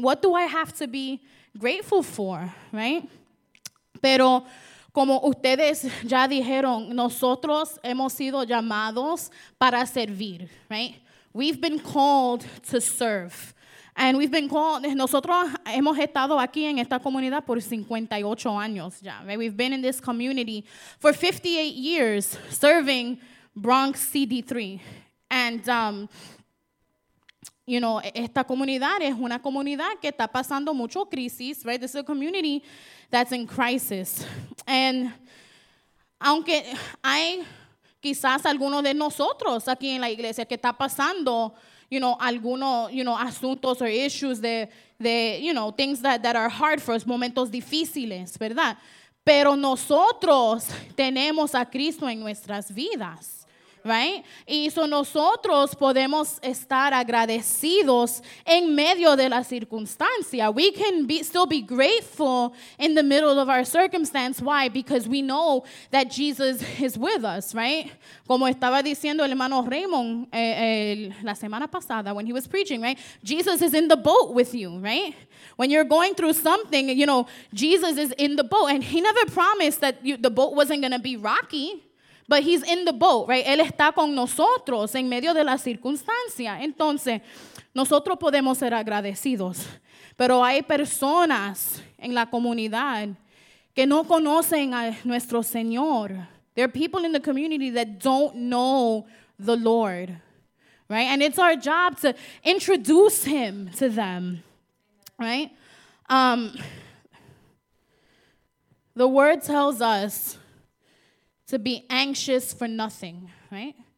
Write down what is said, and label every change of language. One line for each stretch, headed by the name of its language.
English: What do I have to be grateful for, right?
Spanish: Pero como ustedes ya dijeron, nosotros hemos sido llamados para servir, right?
English: We've been called to serve. And we've been called,
Spanish: nosotros hemos estado aquí en esta comunidad por 58 años ya, right?
English: We've been in this community for 58 years serving Bronx CD3.
Spanish: And,
English: you know,
Spanish: esta comunidad es una comunidad que está pasando mucho crisis, right?
English: This is a community that's in crisis. And
Spanish: aunque hay quizás alguno de nosotros aquí en la iglesia que está pasando,
English: you know,
Spanish: algunos,
English: you know,
Spanish: asuntos
English: or issues de you know, things that are hard for us,
Spanish: momentos difíciles, ¿verdad? Pero nosotros tenemos a Cristo en nuestras vidas. Right? Y so nosotros podemos estar agradecidos en medio de la circunstancia.
English: We can still be grateful in the middle of our circumstance. Why? Because we know that Jesus is with us, right?
Spanish: Como estaba diciendo el hermano Raymond la semana pasada
English: when he was preaching,
Spanish: right?
English: Jesus is in the boat with you, right? When you're going through something, you know, Jesus is in the boat. And he never promised that the boat wasn't going to be rocky. But he's in the boat, right?
Spanish: Él está con nosotros en medio de la circunstancia. Entonces, nosotros podemos ser agradecidos. Pero hay personas en la comunidad que no conocen a nuestro Señor.
English: There are people in the community that don't know the Lord, right? And it's our job to introduce him to them, right? The word tells us to be anxious for nothing, right?